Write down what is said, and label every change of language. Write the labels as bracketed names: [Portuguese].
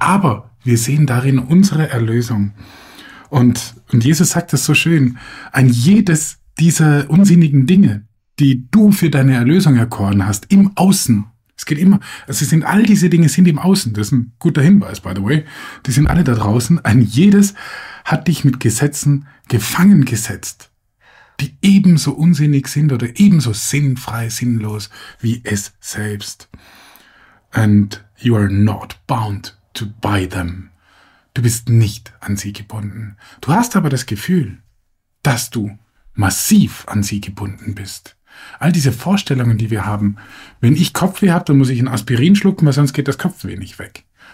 [German] Aber wir sehen darin unsere Erlösung. Und Jesus sagt das so schön, an jedes dieser unsinnigen Dinge, die du für deine Erlösung erkoren hast, im Außen, es geht immer, also sind all diese Dinge sind im Außen, das ist ein guter Hinweis, [English] by the way, [German] die sind alle da draußen, an jedes hat dich mit Gesetzen gefangen gesetzt, die ebenso unsinnig sind oder ebenso sinnfrei, sinnlos wie es selbst. [English] And you are not bound to buy them. [German] Du bist nicht an sie gebunden. Du hast aber das Gefühl, dass du massiv an sie gebunden bist. All diese Vorstellungen, die wir haben. Wenn ich Kopfweh habe, dann muss ich ein Aspirin schlucken, weil sonst geht das Kopfweh nicht weg.